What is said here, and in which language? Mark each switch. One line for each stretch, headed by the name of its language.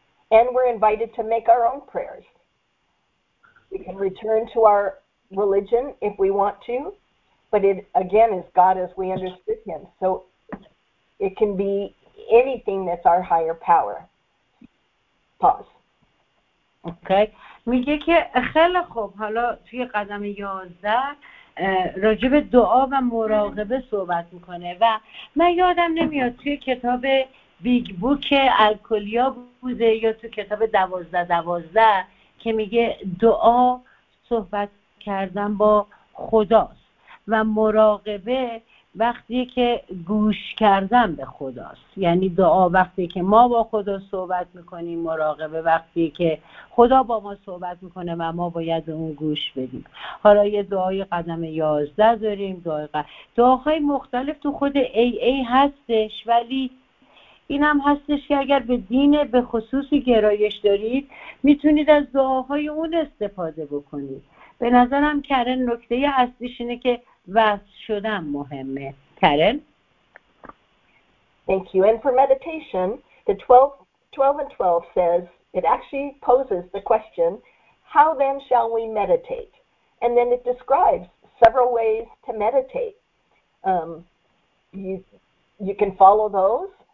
English: And we're invited to make our own prayers. We can return to our religion if we want to, but it, again, is God as we understood him. So it can be anything that's our higher power. Pause. Okay.
Persian: میگه که خیلی خوب، حالا توی قدم 11 راجع به دعا و مراقبه صحبت میکنه و من یادم نمیاد توی کتاب بیگ بوک الکلیا بوده یا تو کتاب 12-12 که میگه دعا صحبت کردن با خداست و مراقبه وقتی که گوش کردن به خداست. یعنی دعا وقتی که ما با خدا صحبت میکنیم، مراقبه وقتی که خدا با ما صحبت میکنه و ما باید اون گوش بدیم. حالا یه دعای قدم 11 داریم، دعاهای مختلف تو خود AA هستش، ولی این هم هستش که اگر به دین به خصوصی گرایش دارید میتونید از دعاهای اون استفاده بکنید. به نظرم کرن نکته اصلیش اینه که وصل شدن مهمه. کرن؟
English: Thank you. And for meditation, the 12 and 12 says, it actually poses the question, how then shall we meditate? And then it describes several ways to meditate. You can follow those.